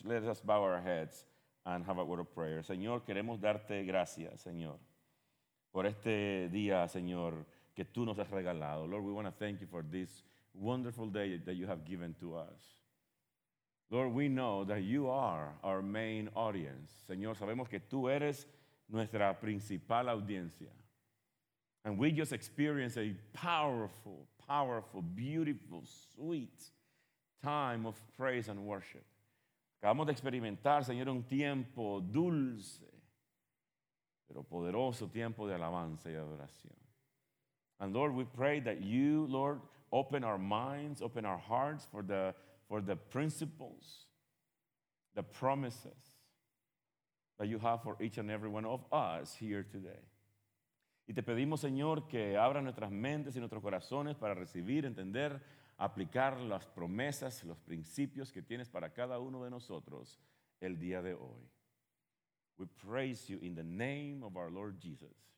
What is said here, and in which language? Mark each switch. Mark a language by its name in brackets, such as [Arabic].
[English] Let us bow our heads and have a word of prayer. [Spanish] Señor, queremos darte gracias, Señor, por este día, Señor, que tú nos has regalado. [English] Lord, we want to thank you for this wonderful day that you have given to us. Lord, we know that you are our main audience. [Spanish] Señor, sabemos que tú eres nuestra principal audiencia. [English] And we just experience a powerful, powerful, beautiful, sweet time of praise and worship. [Spanish] Acabamos de experimentar, Señor, un tiempo dulce, pero poderoso tiempo de alabanza y adoración. [English] And Lord, we pray that you, Lord, open our minds, open our hearts for the principles, the promises that you have for each and every one of us here today. [Spanish] Y te pedimos, Señor, que abra nuestras mentes y nuestros corazones para recibir, entender, aplicar las promesas, los principios que tienes para cada uno de nosotros el día de hoy. [English] We praise you in the name of our Lord Jesus.